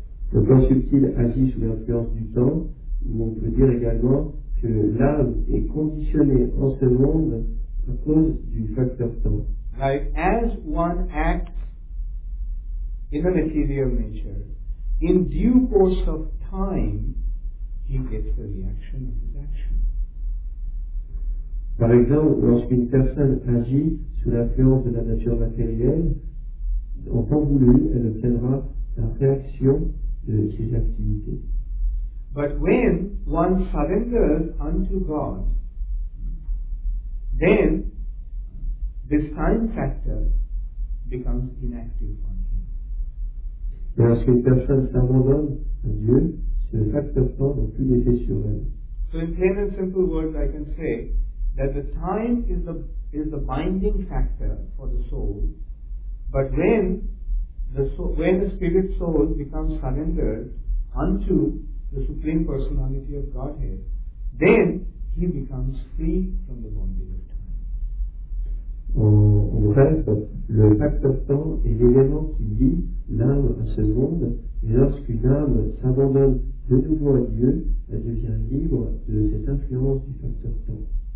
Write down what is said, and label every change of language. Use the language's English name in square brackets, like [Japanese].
[French] Le corps subtil agit sous l'influence du temps, mais on peut dire également que l'âme est conditionnée en ce monde à cause du facteur temps. [English] Like as one acts in the material nature, in due course of time, he gets the reaction of his action. [French] Par exemple, lorsqu'une personne agit sous l'influence de la nature matérielle, en temps voulu, elle obtiendra la réaction de ses activités. [English] But when one surrenders unto God, then this time factor becomes inactive for him. [French] Et lorsqu'une personne s'abandonne à Dieu, le facteur temps n'a plus d'effet sur elle. [English] So in plain and simple words, I can say that the time is the binding factor for the soul. But when the spirit soul becomes surrendered unto the Supreme Personality of Godhead, then he becomes free from the bondage of time. [French] En bref, le facteur temps est l'élément qui lie l'âme à ce monde, et lorsqu'une âme s'abandonne de nouveau à Dieu, elle devient libre de cette influence du facteur temps.